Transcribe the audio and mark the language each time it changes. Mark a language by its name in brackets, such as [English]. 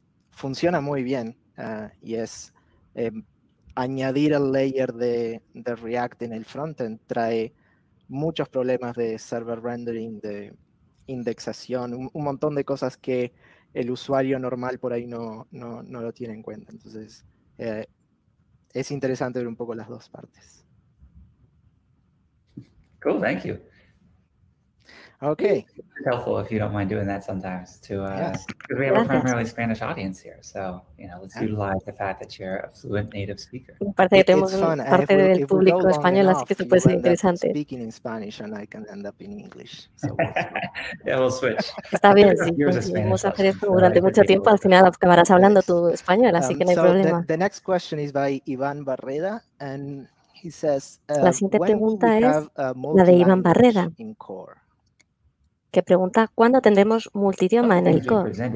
[Spanish] funciona muy bien y es añadir el layer de React en el frontend trae muchos problemas de server rendering, de indexación, un montón de cosas que el usuario normal por ahí no lo tiene en cuenta. Entonces, es interesante ver un poco las dos partes. [English] Cool, thank you. Okay. It's helpful if you don't mind doing that sometimes too. Yes. We have a primarily Spanish audience here, so you know, let's utilize the fact that you're a fluent native speaker. [Spanish] Parece que tenemos parte del público español, así que esto puede ser interesante. [English] Speaking in Spanish and I can end up in English. So yeah, we'll switch. [Spanish] Está bien, sí. Vamos a hacer esto durante mucho tiempo. Al final acabarás hablando tu español, así que no hay problema. [English] The next question is by Iván Barreda, and he says. [Spanish] La siguiente pregunta es la de Iván Barreda. Que pregunta, ¿cuándo tendremos multidioma en el core?